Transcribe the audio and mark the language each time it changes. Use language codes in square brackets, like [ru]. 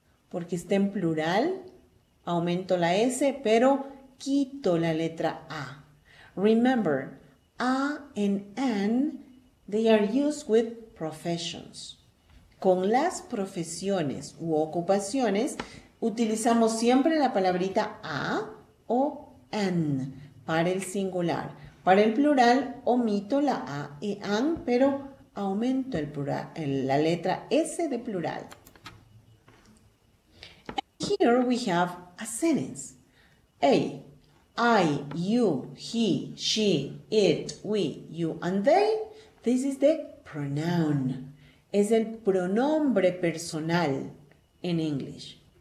[es] Porque está en plural, aumento la S, pero quito la letra A. [en] Remember, A and N, they are used with professions. [es] Con las profesiones u ocupaciones, utilizamos siempre la palabrita A o N para el singular. Para el plural, omito la A y N, pero aumento el plural, la letra S de plural. [en] Here we have a sentence. Hey, I, you, he, she, it, we, you, and they. This is the pronoun. [es] Es el pronombre personal en English.